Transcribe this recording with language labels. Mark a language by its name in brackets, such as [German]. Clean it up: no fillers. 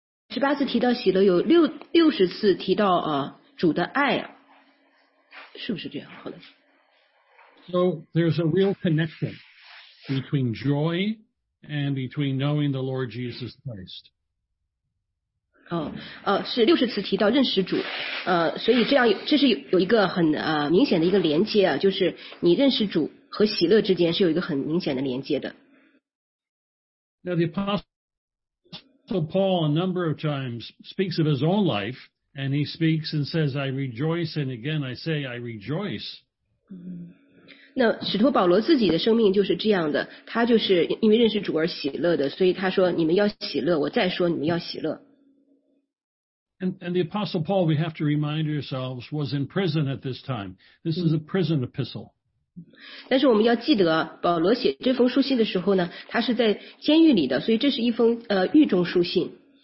[Chinese] 18次提到喜乐，有60次提到主的爱啊，是不是这样？好的。 [English] So there's a real connection between joy and between knowing the Lord Jesus Christ. [Chinese] 是60次提到认识主，所以这样这是有一个很明显的一个连接啊，就是你认识主和喜乐之间是有一个很明显的连接的。 [English] Now the Apostle Paul a number of times speaks of his own life, and he speaks and says, "I rejoice," and again I say, "I rejoice." [Chinese] 那使徒保罗自己的生命就是这样的，他就是因为认识主而喜乐的，所以他说：“你们要喜乐，我再说你们要喜乐。” [English] And the Apostle Paul, we have to remind ourselves, was in prison at this time. This is a prison epistle. [Chinese] 但是我们要记得，保罗写这封书信的时候呢，他是在监狱里的，所以这是一封狱中书信。